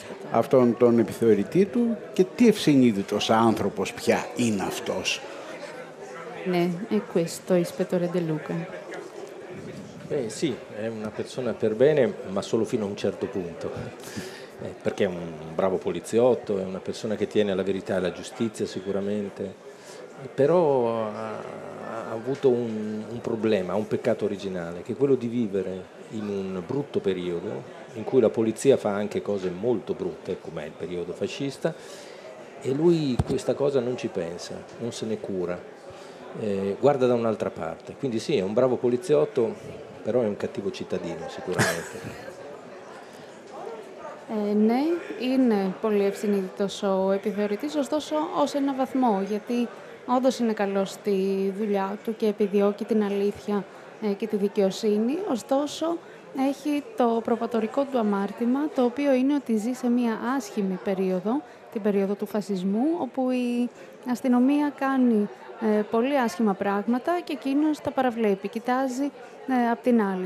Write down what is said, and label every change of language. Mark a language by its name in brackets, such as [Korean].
[Greek] Αυτόν τον επιθεωρητή του και τι ευσυνείδητος άνθρωπος πια είναι αυτός. [Italian] Ναι, è questo, ispettore Ντε Λούκα. Beh, sì, è una persona per bene, ma solo fino a un certo punto. Perché è un bravo poliziotto, è una persona che tiene alla verità e alla giustizia sicuramente, però ha avuto un problema, un peccato originale, che è quello di vivere in un brutto periodo in cui la polizia fa anche cose molto brutte, come il periodo fascista, e lui questa cosa non ci pensa, non se ne cura, guarda da un'altra parte. Quindi sì, è un bravo poliziotto, però è un cattivo cittadino sicuramente. [Greek] Ναι, είναι πολύ ευσυνείδητος ο επιθεωρητής, ωστόσο ως ένα βαθμό, γιατί όντως είναι καλός στη δουλειά του και επιδιώκει την αλήθεια και τη δικαιοσύνη. Ωστόσο, έχει το προβατορικό του αμάρτημα, το οποίο είναι ότι ζει σε μια άσχημη περίοδο, την περίοδο του φασισμού, όπου η αστυνομία κάνει πολύ άσχημα πράγματα και εκείνος τα παραβλέπει, κοιτάζει απ' την άλλη.